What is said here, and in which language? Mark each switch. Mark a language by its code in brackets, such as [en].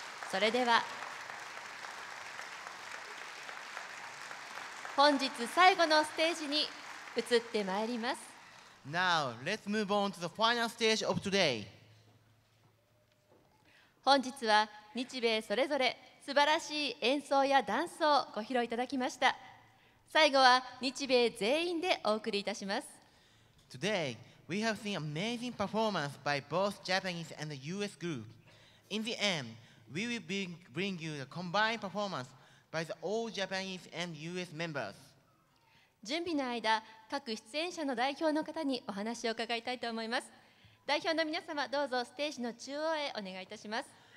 [ja] それでは本日最後のステージに移ってまいります。 [en] Now let's move on to the final stage of today。 [ja] 本日は日米それぞれ素晴らしい演奏やダンスをご披露いただきました。最後は日米全員でお送りいたします。 [en] Today we have seen amazing performance by both Japanese and the US group. In the end, we will bring you the combined performanceby the all Japanese and US members. [ja] 準備の間、各出演者の代表の方にお話を伺いたいと思います。代表の皆様、どうぞステージの中央へお願いいたします。